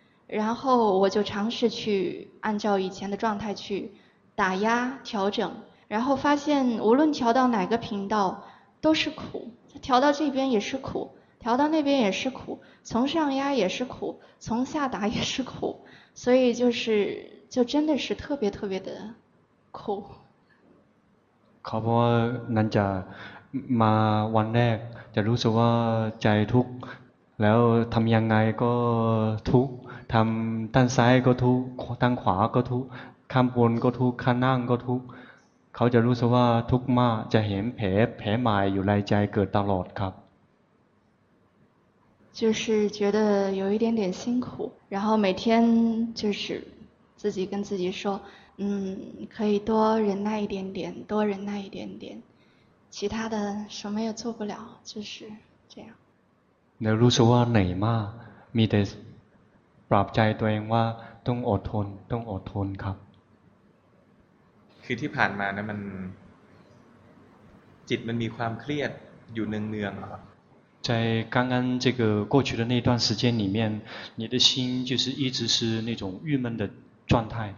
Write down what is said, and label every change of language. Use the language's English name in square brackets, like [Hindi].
[Chinese] 然后我就尝试去按照以前的状态去打压调整，然后发现无论调到哪个频道都是苦，调到这边也是苦，调到那边也是苦，从上压也是苦，从下打也是苦，所以就真的是特别特别的苦。 [Thai] ครับว่าหลังจากมาวันแรกจะรู้สึกว่าใจทุกข์แล้วทำยังไงก็ทุกข์ทำด้านซ้ายก็ทุกข์ด้านขวาก็ทุกข์ข้างบนก็ทุกข์ข้างล่างก็ทุกข์เขาจะรู้สึกว่าทุกข์มากจะเห็นแผลใหม่อยู่ในใจเกิดตลอดครับ [Chinese] 就是觉得有一点点辛苦，然后每天就是自己跟自己说，可以多忍耐一点点，多忍耐一点点，其他的什么也做不了，就是这样。 [Thai] แล้วรู้สึกว่าเหนื่อยมากมีแต่ปรับใจตัวเองว่าต้องอดทนต้องอดทนครับ คือที่ผ่านมาเนี่ยมันจิตมันมีความเครียดอยู่เนืองเนืองเหรอ [Chinese] 在刚刚这个过去的那段时间里面，你的心就是一直是那种郁闷的状态。